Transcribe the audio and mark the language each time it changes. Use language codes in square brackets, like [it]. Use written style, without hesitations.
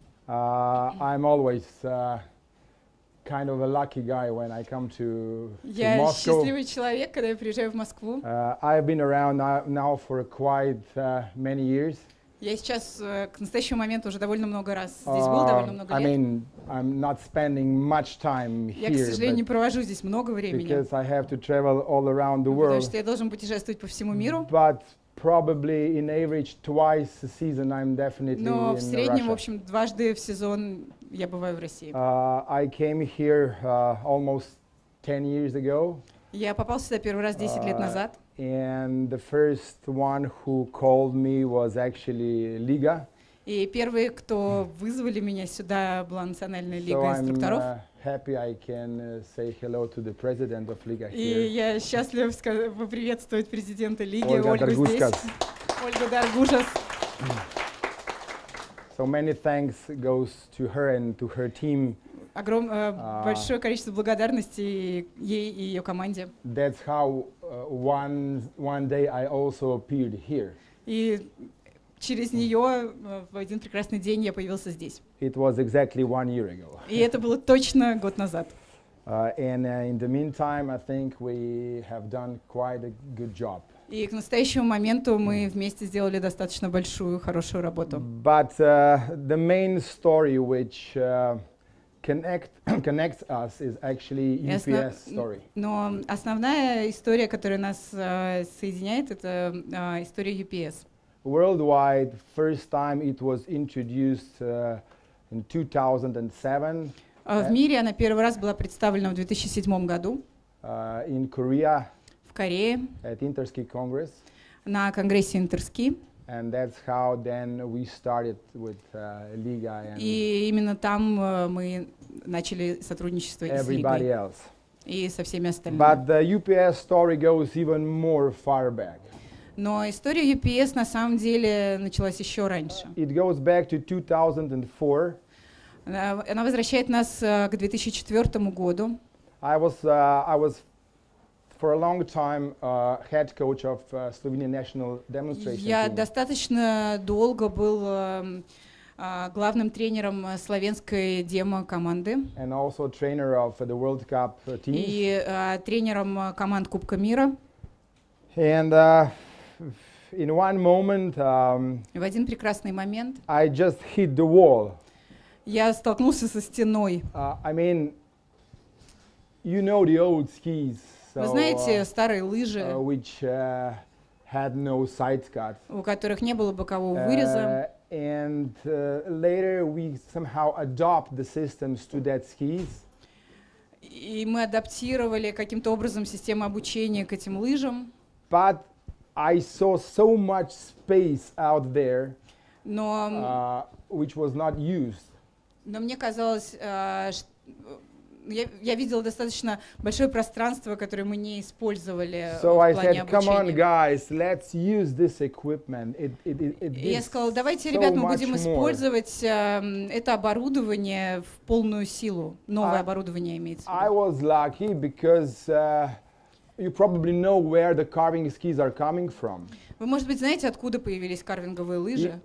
[en] I'm always kind of a lucky guy when I come to Moscow. [ru] Я счастливый человек, когда я приезжаю в Москву. [en] I've been around now for quite many years. [ru] Я сейчас к настоящему моменту уже довольно много раз здесь был, довольно много лет. [en] I mean, I'm not spending much time here. [ru] Я, к сожалению, не провожу здесь много времени. [en] Because I have to travel all around the world. [ru] Потому что я должен путешествовать по всему миру. [en] But probably in average twice a season I'm definitely in Russia. [ru] Но в среднем, в общем, дважды в сезон я бываю в России. [en] I came here almost 10 years ago. [ru] Я попал сюда первый раз 10 лет назад. [en] And the first one who called me was actually Liga. [ru] И первые, кто вызвали меня сюда, была национальная лига инструкторов. [en] So I'm happy I can say hello to the president of Liga here. [ru] И я счастлив поприветствовать президента лиги Ольгу здесь. Ольга Даргужас. [en] So many thanks goes to her and to her team. [ru] Большое количество благодарности ей и ее команде. [en] That's how one day I also appeared here. [ru] И через нее в один прекрасный день я появился здесь. [en] It was exactly 1 year ago. [ru] И это было точно год назад. [en] And in the meantime, I think we have done quite a good job. [ru] И к настоящему моменту мы вместе сделали достаточно большую, хорошую работу. [en] But the main story which connects us is actually UPS story. [ru] Но основная история, которая нас соединяет, это история UPS. [en] Worldwide, first time it was introduced in 2007. [ru] В мире она первый раз была представлена в 2007 году. [en] In Korea. [ru] В Корее. [en] At Interski Congress. [ru] На конгрессе Interski. [en] And that's how then we started with Liga. And [ru] и именно там мы начали сотрудничество с Лигой. [en] Everybody else. [ru] И со всеми остальными. [en] But the UPS story goes even more far back. [ru] Но история UPS на самом деле началась еще раньше. [en] It goes back to 2004. [ru] Она возвращает нас к 2004 году. [en] I was for a long time head coach of Slovenian national demonstration [ru] Я достаточно долго был главным тренером словенской демо команды. [en] And also trainer of the World Cup teams. [ru] И тренером команд Кубка мира. [en] And in one moment, [ru] в один прекрасный момент, [en] I just hit the wall. [ru] Я столкнулся со стеной. [en] I mean, you know the old skis. So, [ru] вы знаете старые лыжи, [en] which had no side cut, [ru] у которых не было бокового выреза. [en] And later we somehow adopt the systems to that skis. [ru] И мы адаптировали каким-то образом систему обучения к этим лыжам. [en] But I saw so much space out there, [ru] но, [en] which was not used. [ru] Но мне казалось, я видел достаточно большое пространство, которое мы не использовали [en] so [ru] в [en] I [ru] плане [en] said, [ru] обучения. [en] On, guys, let's use this equipment. It [ru] я сказал, давайте, ребят, мы будем использовать это оборудование в полную силу. Новое оборудование имеется в виду. [en] I was lucky because you probably know where the carving skis are coming from. [ru] Вы, может быть, знаете, откуда появились карвинговые лыжи?